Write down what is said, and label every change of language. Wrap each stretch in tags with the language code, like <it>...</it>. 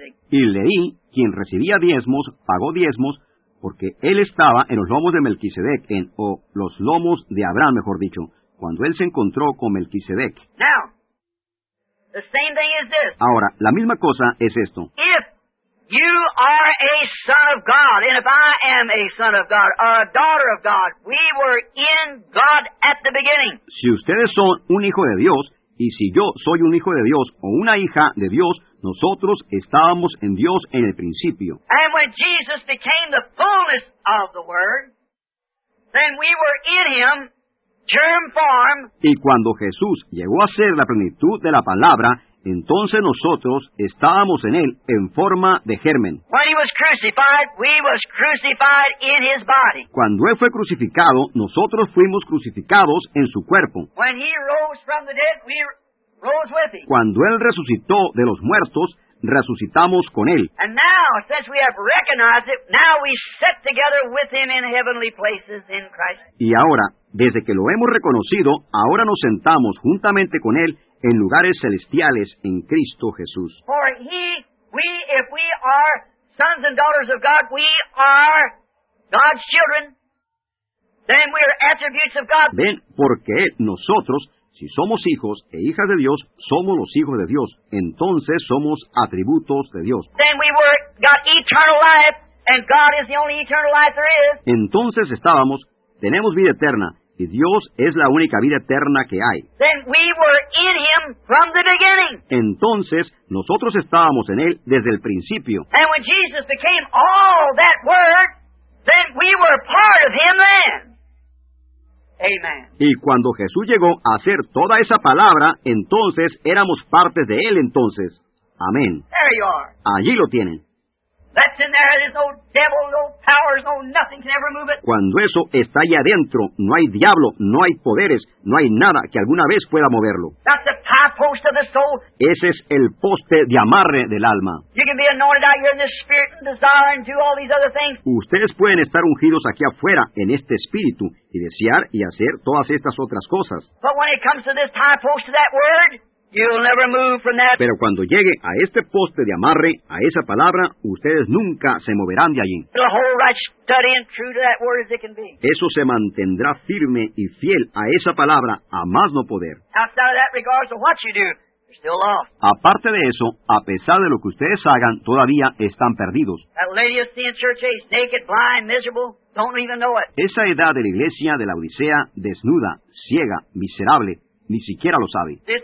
<es>Y Leí, quien recibía diezmos, pagó diezmos, porque él estaba en los lomos de Melquisedec, los lomos de Abraham, mejor dicho, cuando él se encontró con Melquisedec.</es> <en>Now, the same thing is this.</en> <es>Ahora, la misma cosa es esto.</es> <en>If you are a son of God, and if I am a son of God, or a daughter of God, we were in God at the beginning.</en> <es>Si ustedes son un hijo de Dios, y si yo soy un hijo de Dios o una hija de Dios, nosotros estábamos en Dios en el principio.</es> <en>And when Jesus became the fullness of the word, then we were in him, germ form.</en> <es>Y cuando Jesús llegó a ser la plenitud de la palabra, entonces nosotros estábamos en él en forma de germen.</es> <en>When he was crucified, we was crucified in his body.</en> <es>Cuando él fue crucificado, nosotros fuimos crucificados en su cuerpo.</es> <en>When he rose from the dead, we rose with him.</en> <es>Cuando él resucitó de los muertos, resucitamos con él.</es> <en>And now, since we have recognized it, now we sit together with him in heavenly places in Christ.</en> <es>Y ahora, desde que lo hemos reconocido, ahora nos sentamos juntamente con él en lugares celestiales en Cristo Jesús.</es> <en>For he, we, if we are sons and daughters of God, we are God's children, then we are attributes of God.</en> <es>Ven, porque nosotros, si somos hijos e hijas de Dios, somos los hijos de Dios. Entonces somos atributos de Dios.</es> <en>Then we were got eternal life, and God is the only eternal life there is.</en> <es>Entonces estábamos, tenemos vida eterna, y Dios es la única vida eterna que hay.</es> <en>Then we were in him from the beginning.</en> <es>Entonces, nosotros estábamos en él desde el principio.</es> <en>And when Jesus became all that word, then we were part of him then. A Amen.</en> <es>Y cuando Jesús llegó a hacer toda esa palabra, entonces éramos parte de Él entonces. Amén.</es> <en>There you are.</en> <es>Allí lo tienen.</es> <en>That's in there. There's no devil, no powers, no nothing can ever move it.</en> <es>Cuando eso está ahí adentro, no hay diablo, no hay poderes, no hay nada que alguna vez pueda moverlo.</es> <en>That's the tie post of the soul.</en> <es>Ese es el poste de amarre del alma.</es> <en>You can be anointed out here in the spirit and desire and do all these other things.</en> <es>Ustedes pueden estar ungidos aquí afuera en este espíritu y desear y hacer todas estas otras cosas.</es> <en>But when it comes to this tie post of that word, you'll never move from that.</en> <es>Pero cuando llegue a este poste de amarre, a esa palabra, ustedes nunca se moverán de allí.</es> <en>It'll hold right steady and true to that word as it can be.</en> <es>Eso se mantendrá firme y fiel a esa palabra, a más no poder.</es> <en>Outside of that, regardless of what you do, you're still lost.</en> <es>Aparte de eso, a pesar de lo que ustedes hagan, todavía están perdidos.</es> <en>That lady you see in church age, naked, blind, miserable. Don't even know it.</en> <es>Esa edad de la iglesia de la Odisea, desnuda, ciega, miserable, ni siquiera lo sabe.</es>